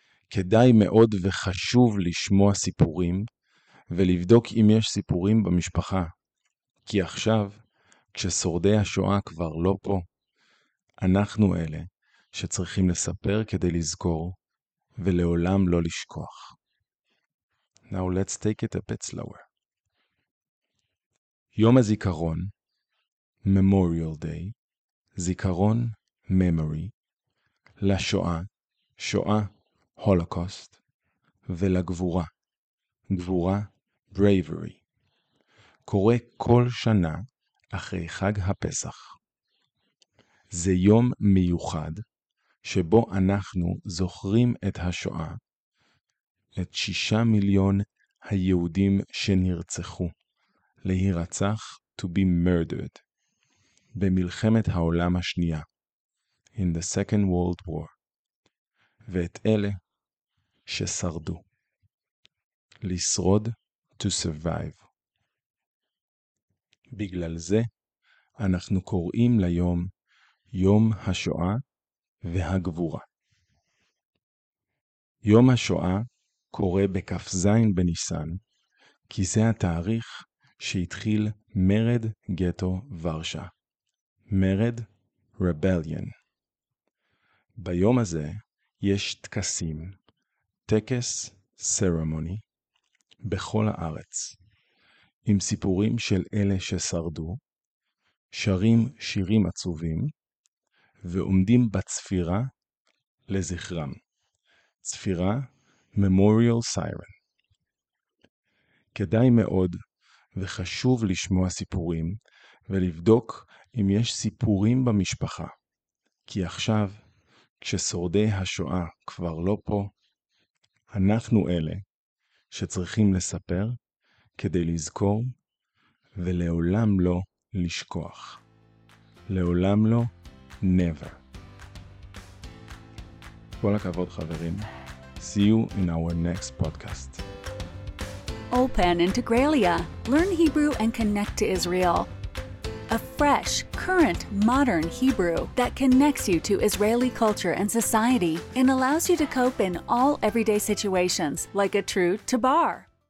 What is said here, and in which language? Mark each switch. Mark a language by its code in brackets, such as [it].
[he] כדאי מאוד וחשוב לשמוע סיפורים, ולבדוק אם יש סיפורים במשפחה, כי עכשיו, כששורדי השואה כבר לא פה, אנחנו אלה שצריכים לספר כדי לזכור, ולעולם לא לשכוח. [en] Now let's take it a bit slower. [he] יום הזיכרון, Memorial Day, זיכרון, Memory, לשואה, שואה, Holocaust, ולגבורה, גבורה, Bravery, קורה כל שנה אחרי חג הפסח. זה יום מיוחד שבו אנחנו זוכרים את השואה, את 6 מיליון היהודים שנרצחו. להירצח, [en] to be murdered, [he] במלחמת העולם השנייה, [en] in the Second World War, [he] ואת אלה ששרדו, לשרוד, [en] to survive. [he] בגלל זה, אנחנו קוראים ליום, יום השואה והגבורה. יום השואה קורה בכ"ז בניסן, כי זה התאריך שהתחיל מרד גטו ורשה. מרד, rebellion. ביום הזה יש טקסים, טקס, ceremony, בכל הארץ, עם סיפורים של אלה ששרדו, שרים שירים עצובים, ועומדים בצפירה לזכרם. [en] צפירה, memorial siren. [he] כדאי מאוד וחשוב לשמוע סיפורים ולבדוק אם יש סיפורים במשפחה. כי עכשיו, כששורדי השואה כבר לא פה, אנחנו אלה שצריכים לספר כדי לזכור ולעולם לא לשכוח. לעולם לא, never. כל הכבוד חברים. [en] See you in our next podcast. Ulpan Integraliah. Learn Hebrew and connect to Israel. A fresh, current, modern Hebrew that connects you to Israeli culture and society and allows you to cope in all everyday situations like a true tabar.